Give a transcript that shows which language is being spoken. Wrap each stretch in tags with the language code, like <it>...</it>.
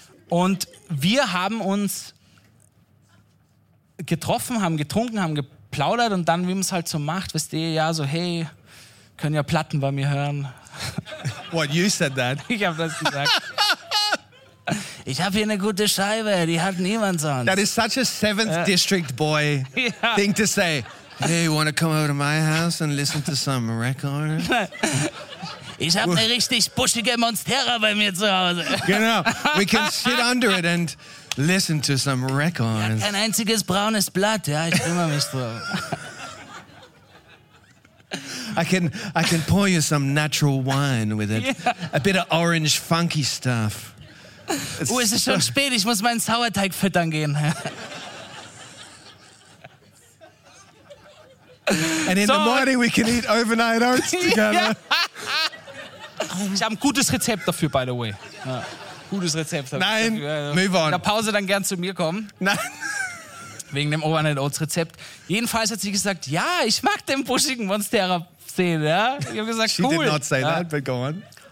<de>Und wir haben uns getroffen, haben getrunken, haben geplaudert und dann, wie man es halt so macht, wisst ihr, ja, so, hey, können ja Platten bei mir hören.</de> <en>What, you said that?</en> <de>Ich habe das gesagt. Ich habe hier eine gute Scheibe, die hat niemand sonst.</de> <en>That is such a 7th District boy thing to say. Hey, you want to come over to my house and listen to some records?</en> <de>Ich habe eine richtig buschige Monstera bei mir zu Hause. Genau.</de> <en>We can sit under it and listen to some records.</en> <de>Ja, ein einziges braunes Blatt, ja, ich kümmere mich drum.</de> <en>I can pour you some natural wine with it. Yeah. A bit of orange funky stuff.</en> <de>Oh, es ist schon spät, ich muss meinen Sauerteig füttern gehen.</de> <en>And in the morning we can eat overnight oats together.</en> <de>Ich habe ein gutes Rezept dafür,</de> <en>by the way.</en> <de>Ja. Gutes Rezept.</de> <en>Nein, move on.</en> <de>In der Pause dann gern zu mir kommen. Nein. Wegen dem Overnight Oats Rezept. Jedenfalls hat sie gesagt, ja, ich mag den buschigen Monstera-Szene. Ja. Ich habe gesagt,</de> <en>she cool. She did not say</en> <de>ja.</de> <en>that, but go on.</en>